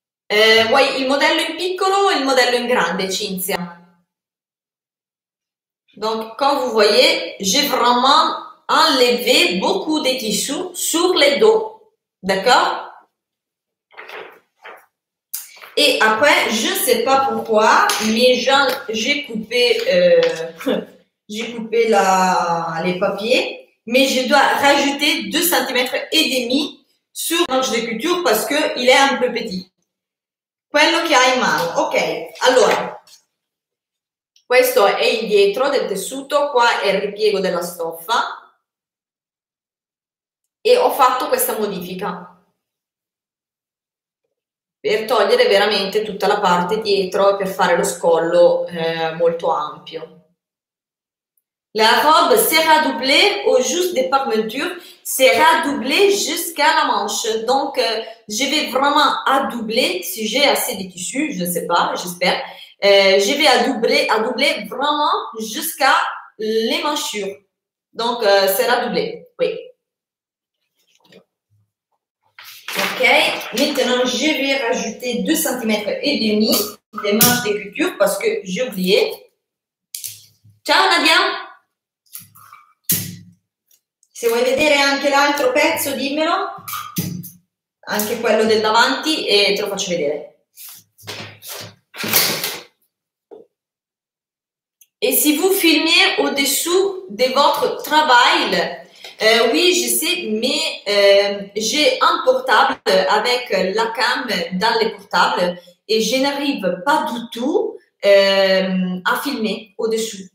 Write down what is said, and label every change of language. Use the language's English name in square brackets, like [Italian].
[Italian] Vuoi il modello in piccolo o il modello in grande, Cinzia? [French] Donc, comme vous voyez, j'ai vraiment enlevé beaucoup de tissus sur les dos, d'accord? Et après, je ne sais pas pourquoi, mais j'ai coupé les papiers, mais je dois rajouter 2,5 cm sur le manche de couture parce qu'il est un peu petit. [Italian] Quello che hai in mano. Ok, allora, questo è il dietro del tessuto, qua è il ripiego della stoffa e ho fatto questa modifica per togliere veramente tutta la parte dietro per fare lo scollo molto ampio. [French] La robe sera doublée au juste des parmentures, sera doublée jusqu'à la manche. Donc, je vais vraiment à doubler, si j'ai assez de tissu, je ne sais pas, j'espère. Je vais à doubler vraiment jusqu'à les manchures. Donc, sera doublée, oui. Ok, maintenant je vais rajouter 2,5 cm des manches de couture parce que j'ai oublié. [Italian] Ciao Nadia! Se vuoi vedere anche l'altro pezzo, dimmelo. Anche quello del davanti e te lo faccio vedere. [French] Et si vous filmez au-dessous de votre travail, oui, je sais, mais j'ai un portable avec la cam dans le portable et je n'arrive pas du tout à filmer au-dessous.